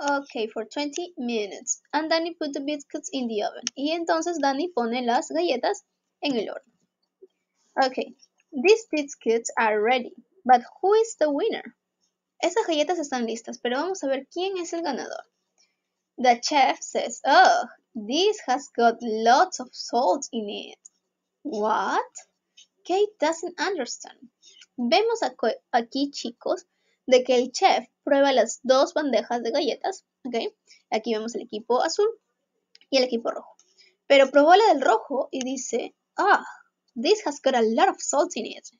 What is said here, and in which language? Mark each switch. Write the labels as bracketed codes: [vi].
[en] Okay, for 20 minutes. And Danny put the biscuits in the oven. [es] Y entonces Danny pone las galletas en el horno. [en] Okay, these biscuits are ready. But who is the winner? [es] Esas galletas están listas, pero vamos a ver quién es el ganador. [en] The chef says, oh, this has got lots of salt in it. What? Kate doesn't understand. [es] Vemos aquí, chicos, de que el chef prueba las dos bandejas de galletas, ¿ok? Aquí vemos el equipo azul y el equipo rojo. Pero probó la del rojo y dice, ah, [en] oh, this has got a lot of salt in it.